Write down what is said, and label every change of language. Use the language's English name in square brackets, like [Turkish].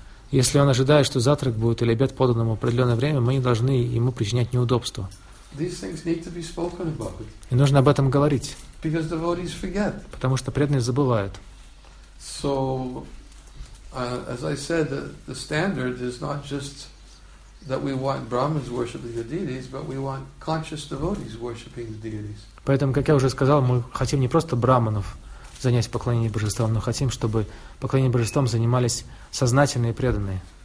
[Russian] Если он ожидает, что завтрак будет или обед подан ему в определенное время, мы не должны ему причинять неудобства. И нужно об этом говорить. Потому что преданные забывают. [English] So, as I said, the standard is not just that we want Brahmins worshiping the deities, but we want conscious devotees worshiping the deities. [Russian] Поэтому, как я уже сказал, мы хотим не просто брахманов занять поклонение божествам, но хотим, чтобы поклонение божествам занимались сознательные и преданные.